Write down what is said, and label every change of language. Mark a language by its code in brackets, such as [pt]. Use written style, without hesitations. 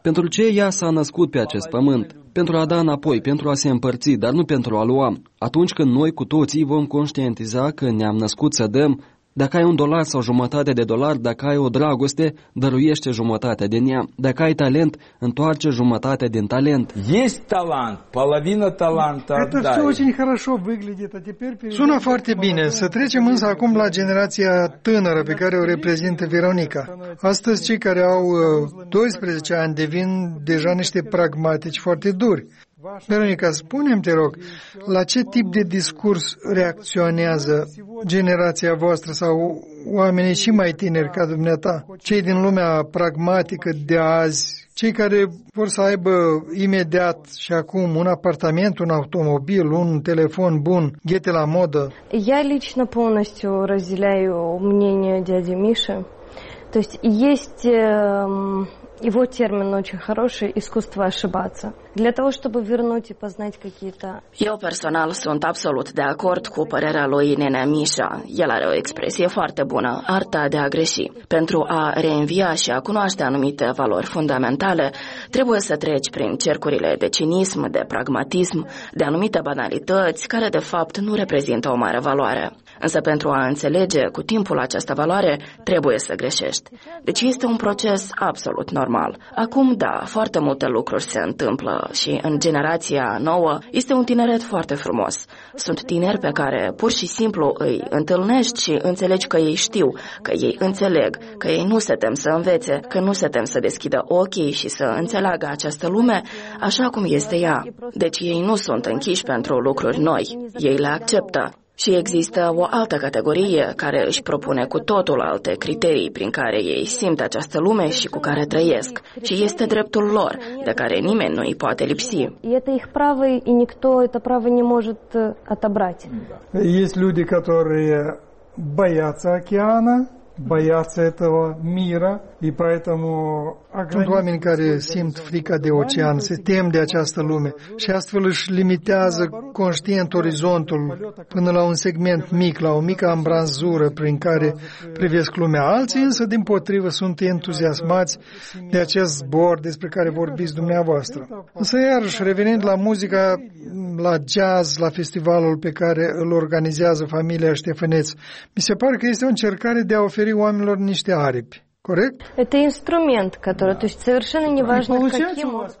[ro] Pentru ce ea s-a născut pe acest pământ? Pentru a da înapoi, pentru a se împărți, dar nu pentru a lua. Atunci când noi cu toții vom conștientiza că ne-am născut să dăm, dacă ai un dolar sau jumătate de dolar, dacă ai o dragoste, dăruiește jumătatea din ea. Dacă ai talent, întoarce jumătatea din talent. [ru] Есть талант, половина таланта отдай. Это всё очень хорошо выглядит. А теперь перейдём. [ro] Сунь foarte bine. Să trecem însă acum la generația tânără pe care o reprezintă Veronica. Astăzi cei care au 12 ani devin deja niște pragmatici foarte duri. Veronica, spune-mi, te rog, la ce tip de discurs reacționează generația voastră sau oamenii și mai tineri ca dumneata, cei din lumea pragmatică de azi, cei care vor să aibă imediat și acum un apartament, un automobil, un telefon bun, ghete la modă? [ru] Я лично полностью разделяю мнение дяди Миши. То есть есть Его термин очень хороший – искусство ошибаться. Для того, чтобы вернуть и познать какие-то... [ro] Я персонал sunt absolut de acord cu părerea lui Nenea Mișa. El are o expresie foarte bună, arta de a greși. Pentru a reînvia și a cunoaște anumite valori fundamentale, trebuie să treci prin cercurile de cinism, de pragmatism, de anumite banalități, care de fapt nu reprezintă o mare valoare. Însă pentru a înțelege cu timpul această valoare, trebuie să greșești. Deci este un proces absolut normal. Acum, da, foarte multe lucruri se întâmplă și în generația nouă este un tineret foarte frumos. Sunt tineri pe care pur și simplu îi întâlnești și înțelegi că ei știu, că ei înțeleg, că ei nu se tem să învețe, că nu se tem să deschidă ochii și să înțeleagă această lume așa cum este ea. Deci ei nu sunt închiși pentru lucruri noi, ei le acceptă. Și există o altă categorie care își propune cu totul alte criterii prin care ei simt această lume și cu care trăiesc. Și este dreptul lor, de care nimeni nu îi poate lipsi. [ru] Este их право и никто это право не может отобрать. Есть люди, которые боятся океана, боятся этого мира, и поэтому [ro] sunt oameni care simt frica de ocean, se tem de această lume și astfel își limitează conștient orizontul până la un segment mic, la o mică ambranzură prin care privesc lumea. Alții însă, din potrivă, sunt entuziasmați de acest zbor despre care vorbiți dumneavoastră. Însă, iarăși, revenind la muzica, la jazz, la festivalul pe care îl organizează familia Ștefăneț, mi se pare că este o încercare de a oferi oamenilor niște aripi. Corect? [ru] Это инструмент, который, то есть совершенно неважно каким.